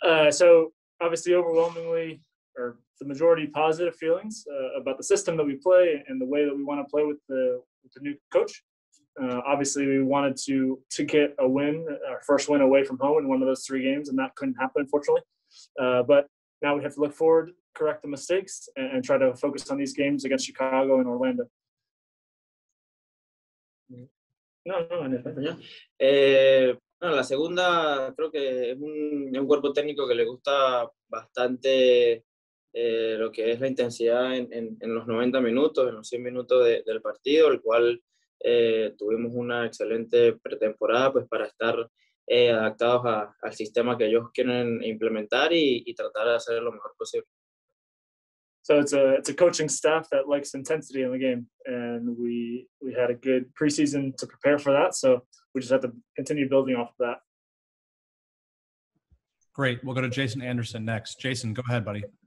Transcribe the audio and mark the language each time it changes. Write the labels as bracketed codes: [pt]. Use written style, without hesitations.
[en] So, obviously, overwhelmingly, or the majority positive feelings about the system that we play and the way that we want to play with the new coach. Obviously, we wanted to get a win, our first win away from home in one of those 3 games, and that couldn't happen, unfortunately. But now we have to look forward, correct the mistakes, and try to focus on these games against Chicago and Orlando. [es] Bueno, la segunda creo que es un cuerpo técnico que le gusta bastante lo que es la intensidad en los 90 minutos, en los 100 minutos del partido, el cual tuvimos una excelente pretemporada pues, para estar adaptados al sistema que ellos quieren implementar y tratar de hacer lo mejor posible. [en] So it's a coaching staff that likes intensity in the game, and we had a good preseason to prepare for that. So we just have to continue building off of that. Great. We'll go to Jason Anderson next. Jason, go ahead, buddy.